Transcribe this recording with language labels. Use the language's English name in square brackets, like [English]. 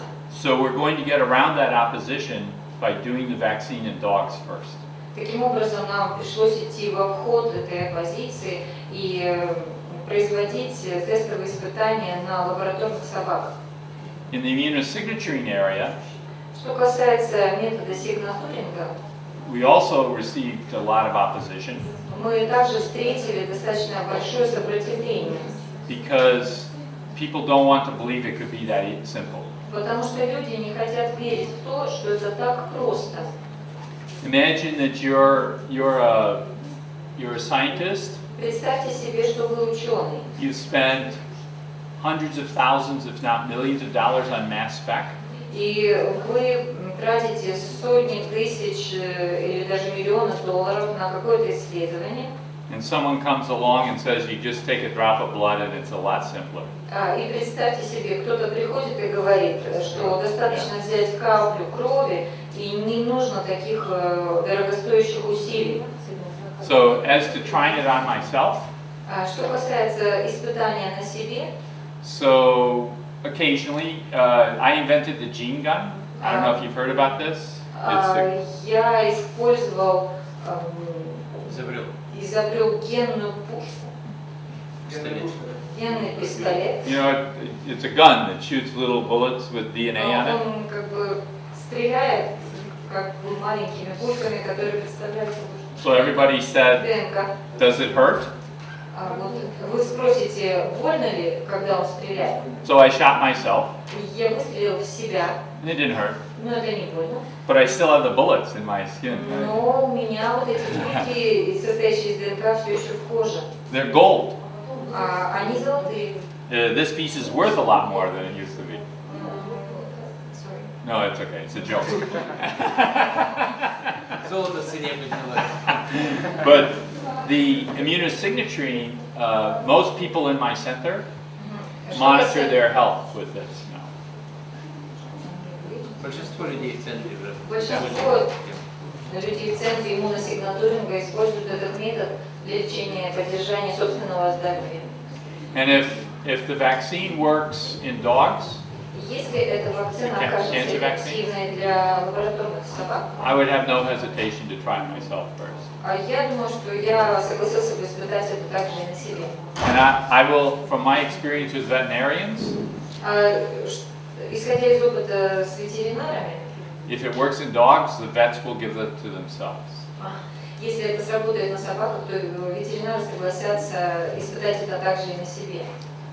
[English] So we're going to get around that opposition by doing the vaccine in dogs first. [Russian] Таким образом, нам пришлось идти в обход этой оппозиции и производить тестовые испытания на лабораторных собаках. [English] In the immunosignaturing area, [Russian] что касается метода сигнатуринга, [English] we also received a lot of opposition. [Russian] Мы также встретили достаточно большое сопротивление. [English] Because people don't want to believe it could be that simple. [Russian] Потому что люди не хотят верить в то, что это так просто. [English] Imagine that you're a scientist. [Russian] Представьте себе, что вы ученый. [English] You spend hundreds of thousands, if not millions of dollars on mass spec. [Russian] И вы тратите сотни тысяч или даже миллионы долларов на какое-то исследование. [English] And someone comes along and says, "You just take a drop of blood, and it's a lot simpler." [Russian] И представьте себе, кто-то приходит и говорит, что достаточно взять каплю крови, и не нужно таких дорогостоящих усилий. [English] So, as to trying it on myself. [Russian] Что касается испытания на себе. [English] So, occasionally, I invented the gene gun. I don't know if you've heard about this. [Russian] Я использовал. Изобрел. Изобрел генную пушку. Генный пистолет. [English] You know, it's a gun that shoots little bullets with DNA on it. [Russian] Он как бы стреляет как бы маленькими пушками, которые представляют. [English] So everybody said, does it hurt? [Russian] Вы спросите, больно ли, когда он стреляет? [English] So I shot myself. [Russian] Я выстрелил в себя. [English] And it didn't hurt. [Russian] Но это не больно. [English] But I still have the bullets in my skin. [Russian] Но у меня вот эти пульки, состоящие из ДНК, все еще в коже. [English] They're gold. [Russian] Они золотые. [English] This piece is worth a lot more than it used to be. Sorry. No, it's okay. It's a joke. [Russian] Золото в цене поднялось. [English] But the immunosignaturing most people in my center monitor their health with this now. [Russian] Большинство людей в центре. Большинство людей в центре иммуносигнатуринга используют этот метод для лечения поддержания собственного здоровья. [English] And if the vaccine works in dogs, [Russian] если эта вакцина окажется эффективной для лабораторных собак, [English] I would have no hesitation to try myself first. [Russian] Я думаю, что я согласился бы испытать это также и на себе. [English] And I will, from my experience with veterinarians, [Russian] исходя из опыта с ветеринарами, [English] if it works in dogs, the vets will give it to themselves. [Russian] Если это сработает на собаках, то ветеринары согласятся испытать это также и на себе.